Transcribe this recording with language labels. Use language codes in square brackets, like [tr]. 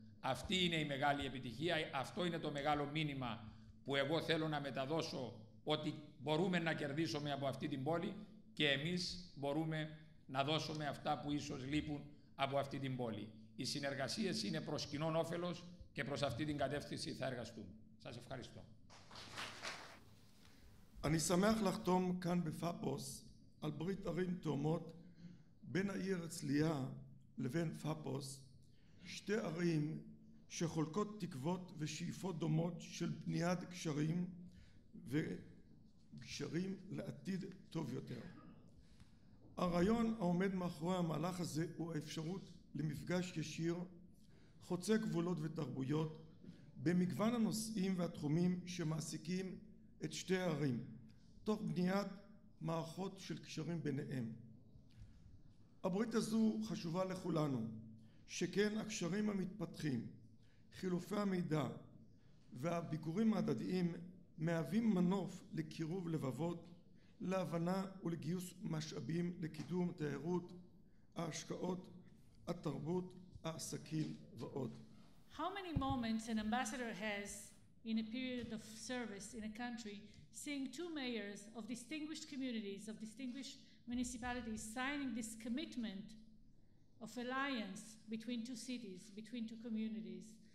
[el] Αυτή είναι η μεγάλη επιτυχία, αυτό είναι το μεγάλο μήνυμα που εγώ θέλω να μεταδώσω, ότι μπορούμε να κερδίσουμε από αυτή την πόλη και εμείς μπορούμε να δώσουμε αυτά που ίσως λείπουν από αυτή την πόλη. Οι συνεργασίες είναι προς κοινόν όφελος και προς αυτή την κατεύθυνση θα εργαστούμε. Σας ευχαριστώ. [he] אני שמח לחתום כאן בפאפוס על ברית ערים תאומות בין העיר הצליה לבין פאפוס, שתי ערים שחולקות תקוות ושאיפות דומות של בניית גשרים וגשרים לעתיד טוב יותר. הרעיון העומד מאחורי המהלך הזה הוא האפשרות למפגש ישיר, חוצה גבולות ותרבויות, במגוון הנושאים והתחומים שמעסיקים את שתי הערים. תוך בניית מערכות של קשרים ביניהם. הברית הזו חשובה לכולנו, שכן הקשרים המתפתחים, חילופי המידע והביקורים ההדדיים מהווים מנוף לקירוב לבבות, להבנה ולגיוס משאבים לקידום התיירות, ההשקעות, התרבות, העסקים ועוד. [en] How many moments an ambassador has in a period of service in a country seeing two mayors of distinguished communities, of distinguished municipalities, signing this commitment of alliance between two cities, between two communities.